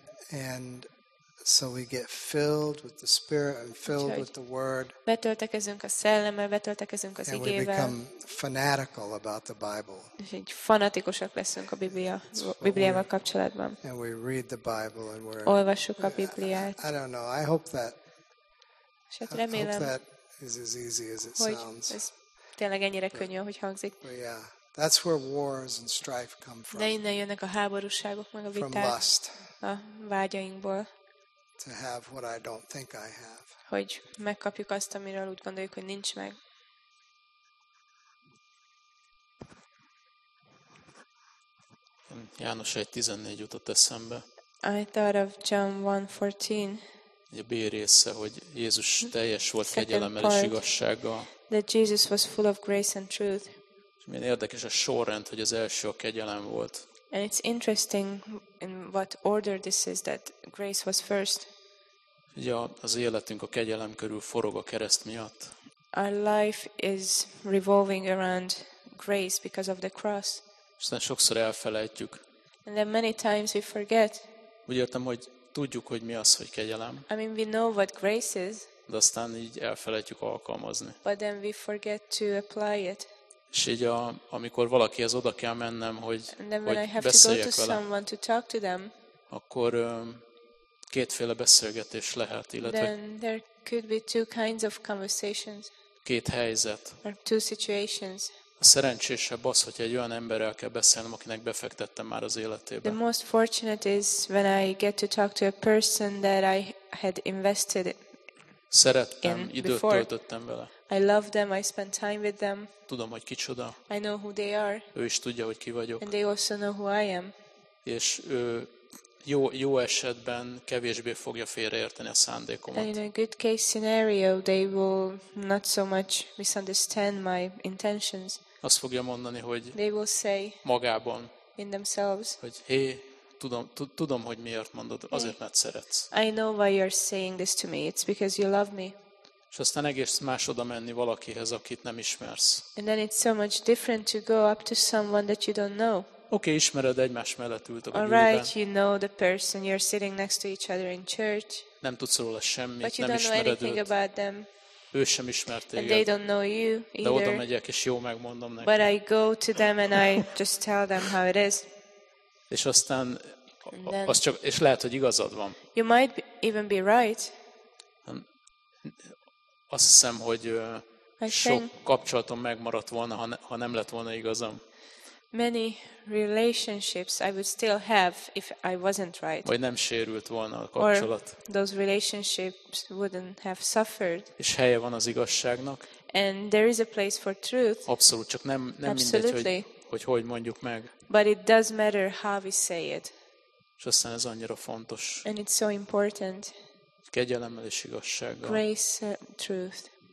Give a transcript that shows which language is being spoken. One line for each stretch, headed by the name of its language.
English: And so we get filled with the Spirit and filled with the Word.
Hungarian: Betöltekezünk a szellemmel, betöltekezünk az igével.
English: And we become fanatical about the Bible.
Hungarian: És így fanatikusak leszünk a Bibliával kapcsolatban.
English: And we read the Bible and we're.
Hungarian: Olvassuk a Bibliát.
English: I don't know. I hope that.
Hungarian: Hát remélem,
English: hope that is as easy as it sounds.
Hungarian: Ez tényleg ennyire könnyű, ahogy hangzik.
English: Yeah, that's where wars and strife come from.
Hungarian: De innen jönnek a háborúságok meg a viták.
English: From lust.
Hungarian: A vágyainkból.
English: To have what I don't think I have.
Hungarian: Hogy megkapjuk azt, amiről úgy gondoljuk, hogy nincs meg. János 1:14 jutott eszembe.
English: I thought of John 1:14.
Hungarian: A B része, hogy Jézus teljes volt kegyelemmel és igazsággal.
English: That Jesus was full of grace and truth.
Hungarian: És milyen érdekes a sorrend, hogy az első a kegyelem volt.
English: And it's interesting in what order this is that grace was first.
Hungarian: Ja, az életünk a kegyelem körül forog a kereszt miatt.
English: Our life is revolving around grace because of the cross.
Hungarian: Aztán sokszor elfelejtjük.
English: And then many times we forget.
Hungarian: Úgy értem, hogy tudjuk, hogy mi az, hogy kegyelem.
English: I mean we know what grace is.
Hungarian: De aztán így elfelejtjük alkalmazni.
English: But then we forget to apply it.
Hungarian: És így a, amikor valaki az oda kell mennem, hogy beszéljek vele, akkor kétféle beszélgetés lehet, illetve
English: then there could be two kinds of conversations,
Hungarian: két helyzet.
English: Or two situations.
Hungarian: A szerencsésebb az, hogy egy olyan emberrel kell beszélnem, akinek befektettem már az életébe.
English: The most fortunate is when I get to talk to a person that I had invested in.
Hungarian: Szerettem, időt töltöttem vele.
English: I love them, I spend time with them.
Hungarian: Tudom, hogy kicsoda.
English: I know who they are.
Hungarian: Ő is tudja, hogy ki vagyok.
English: And they also know who I am.
Hungarian: És ő jó esetben kevésbé fogja félreérteni a szándékomat.
English: And in a good case scenario, they will not so much misunderstand my intentions.
Hungarian: Azt fogja mondani, hogy
English: they will say
Hungarian: magában,
English: in themselves,
Hungarian: hogy hé, tudom, hogy miért mondod, azért, mert szeretsz.
English: I know why you're saying this to me. It's because you love me.
Hungarian: És aztán egész más oda menni valakihez, akit nem ismersz.
English: And then it's so much different to go up to someone that you don't know.
Hungarian: Okay, ismered, egymás mellett ültök a gyűlben.
English: All right, you know the person. You're sitting next to each other in church.
Hungarian: Nem tudsz róla semmit,
English: but you
Hungarian: nem
English: don't
Hungarian: ismered
English: know anything
Hungarian: őt.
English: About them.
Hungarian: Ő sem ismert téged.
English: And they don't know you either.
Hungarian: De oda megyek, és jó megmondom neki.
English: But I go to them and I just tell them how it is.
Hungarian: És aztán az csak, és lehet, hogy igazad van.
English: You might even be right.
Hungarian: Azt hiszem, hogy sok kapcsolatom megmaradt volna, ha nem lett volna igazam.
English: Many relationships I would still have if I wasn't right.
Hungarian: Vagy nem sérült volna a kapcsolat.
English: Or those relationships wouldn't have suffered.
Hungarian: És helye van az igazságnak.
English: And there is a place for truth.
Hungarian: Abszolút, csak nem mindegy, hogy mondjuk meg.
English: But it does matter how we say it.
Hungarian: És aztán ez annyira fontos.
English: And it's so important.
Hungarian: Kegyelemmel és igazsággal.
English: Grace and truth.